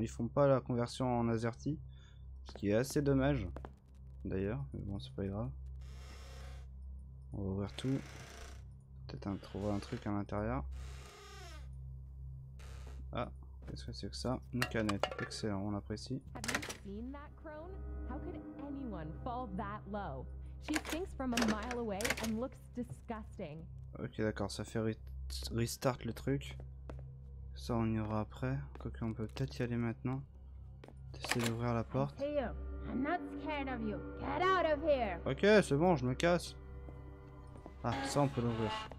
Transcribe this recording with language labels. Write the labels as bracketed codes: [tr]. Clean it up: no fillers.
[fr] ils font pas la conversion en AZERTY. Ce qui est assez dommage. D'ailleurs, mais bon, c'est pas grave. On va ouvrir tout. Peut-être trouver un truc à l'intérieur. Ah, qu'est-ce que c'est que ça? Une canette. Excellent, on apprécie. [en] Seen that crone? How could anyone fall that low? She thinks from a mile away and looks disgusting. [fr] Ok, d'accord, ça fait restart le truc. Ça, on y aura après. Quoique, on peut peut-être y aller maintenant. Essayer d'ouvrir la porte. [en] I'm not scared of you. Get out of here. [fr] Ok, c'est bon, je me casse. Ah, ça, on peut l'ouvrir.